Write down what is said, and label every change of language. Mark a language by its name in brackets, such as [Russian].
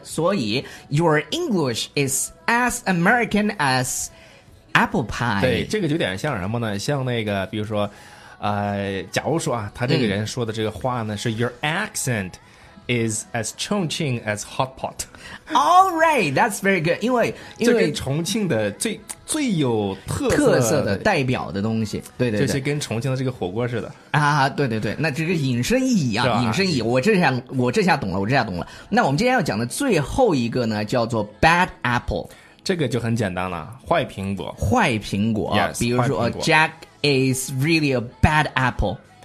[Chinese] 所以 [English] Your English is as American as apple pie。 [Chinese] 对，这个有点像什么呢？像那个比如说假如说啊，他这个人说的这个话呢，是 [English] your accent is as Chongqing as hot pot. All right, that's very good. [Chinese] 因为重庆的最有特色的代表的东西，对对对，就是跟重庆的这个火锅似的啊，对对对，那这个引申意义啊，引申意义，我这下懂了。那我们今天要讲的最后一个呢，叫做 bad apple。这个就很简单了，坏苹果。坏苹果， [English] yes, [Chinese] 比如说 [English] Jack is really a bad apple.